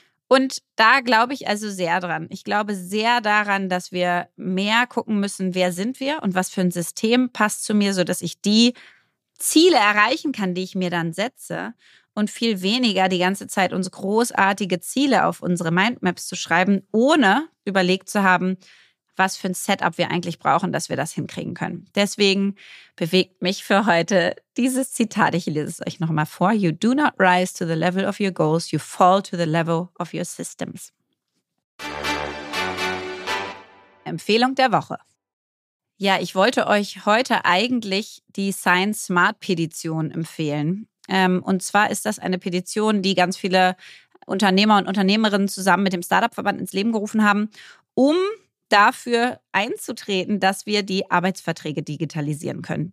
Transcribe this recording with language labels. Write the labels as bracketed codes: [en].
[de] Und da glaube ich also sehr dran. Ich glaube sehr daran, dass wir mehr gucken müssen, wer sind wir und was für ein System passt zu mir, sodass ich die Ziele erreichen kann, die ich mir dann setze. Und viel weniger die ganze Zeit uns großartige Ziele auf unsere Mindmaps zu schreiben, ohne überlegt zu haben, was für ein Setup wir eigentlich brauchen, dass wir das hinkriegen können. Deswegen bewegt mich für heute dieses Zitat. Ich lese es euch nochmal vor. [en] You do not rise to the level of your goals, you fall to the level of your systems. [de] Empfehlung der Woche. Ja, ich wollte euch heute eigentlich die Sign Smart Petition empfehlen. Und zwar ist das eine Petition, die ganz viele Unternehmer und Unternehmerinnen zusammen mit dem Startup-Verband ins Leben gerufen haben, um dafür einzutreten, dass wir die Arbeitsverträge digitalisieren können.